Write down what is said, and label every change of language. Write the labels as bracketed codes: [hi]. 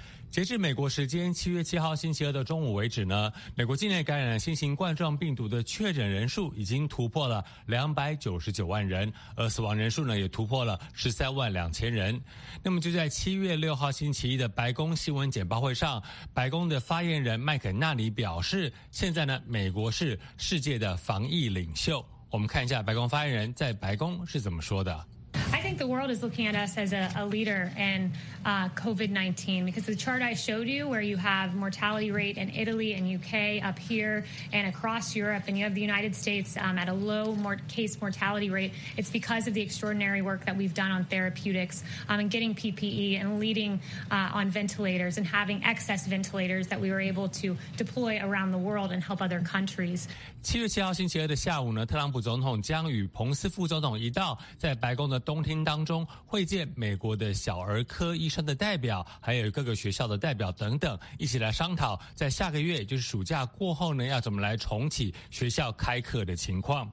[zh] 截至美国时间7月7号星期二的中午为止呢，美国境内感染新型冠状病毒的确诊人数已经突破了299万人，而死亡人数呢也突破了132000人。那么就在7月6号星期一的白宫新闻简报会上，白宫的发言人麦肯纳里表示，现在呢美国是世界的防疫领袖。我们看一下白宫发言人在白宫是怎么说的。 [en] I think the world is looking at us as a leader in COVID-19 because the chart I showed you where you have mortality rate in Italy and UK up here and across Europe and you have the United States at a low case mortality rate, it's because of the extraordinary work that we've done on therapeutics and getting PPE and leading on ventilators and having excess ventilators that we were able to deploy around the world and help other countries. [zh] 7月7号星期二的下午呢，特朗普总统将与彭斯副总统一道在白宫的东厅当中会见美国的小儿科医生的代表，还有各个学校的代表等等，一起来商讨在下个月，就是暑假过后呢，要怎么来重启学校开课的情况。